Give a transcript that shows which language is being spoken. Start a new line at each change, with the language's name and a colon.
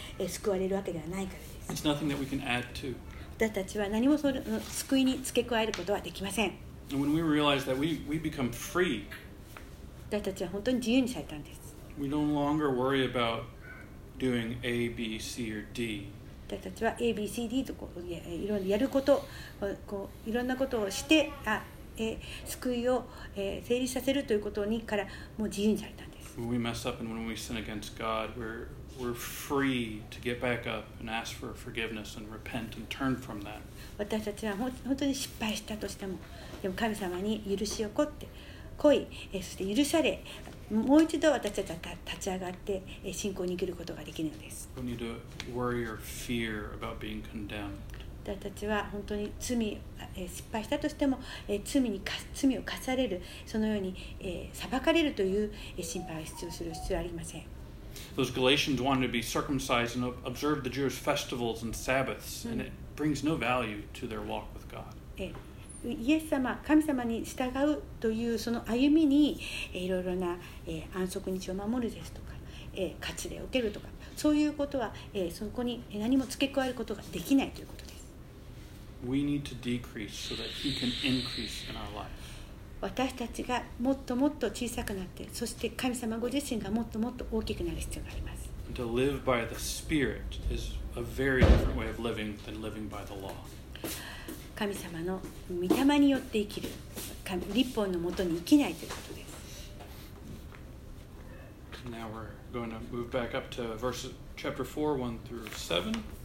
English: We don't worry about losing our salvation. It's nothing that we can add to.
Japanese: 私たちは何もその救いに付け加えることはできません。
English: And when we realize that we become free,
Japanese: 私たちは本当に自由にされたんです。
English: We no longer worry about doing A, B, C, or D.
Japanese: 私たちは A, B, C, D とこういろいろやること、こういろんなことをして、救いを成立させるということにからもう自由にされたんです。
English: When we mess up and when we sin against God, we're free to get back up and ask for forgiveness and repent and turn from that.
Japanese: 私たちは本当に失敗したとしても、でも神様に許しを請って、来い、そして許され、もう一度私たちは立ち上がって信仰に生きることができるのです。
English: We need to worry or fear about being condemned.
Japanese: 私たちは本当に罪、失敗したとしても、罪を課される、そのように裁かれるという心配を必要する必要はありません。
English: Those Galatians wanted to be circumcised and observe the Jewish festivals and Sabbaths, and it brings no value to their walk with God.
Japanese: イエス様、神様に従うというその歩みにいろいろな安息日を守るですとか、割礼を受けるとか、そういうことはそこに何も付け加えることができないということです。
English: We need to decrease so that He can increase in our life.
Japanese: 私たちがもっともっと小さくなって、そして神様ご自身がもっともっと大きくなる必要があります。
English: To live by the Spirit is a very different way of living than living by the law.
Japanese: 神様の御霊によって生きる、律法のもとに生きないということです。
English: Now we're going to move back up to verses chapter 4:1-7.